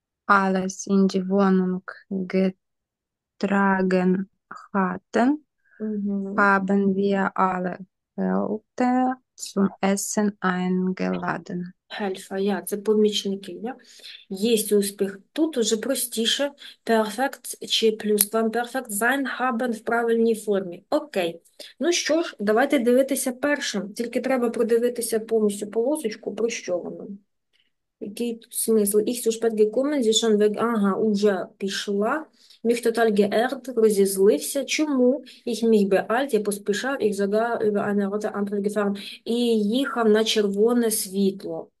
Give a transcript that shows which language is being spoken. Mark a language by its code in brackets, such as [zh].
[de] Alles in die Wohnung getragen hatten, haben wir alle Leute zum Essen eingeladen. [uk] Хельфа, я, це помічники, я. Єсть успіх. Тут уже простіше. Перфект чи плюсквамперфект [de] sein haben [uk] в правильній формі. Окей. Ну що ж, давайте дивитися першим. Тільки треба продивитися повністю полосочку, про що воно. Який тут смисл? [de] Ich zu spät gekommen, sie schon weg. [uk] Ага, уже пішла. [de] Mich total geehrt, [uk] розізлився. Чому? [de] Ich mich beeilt, [uk] я поспішав, [de] ich sogar über eine rote Ampel gefahren. [uk] І їхав на червоне світло.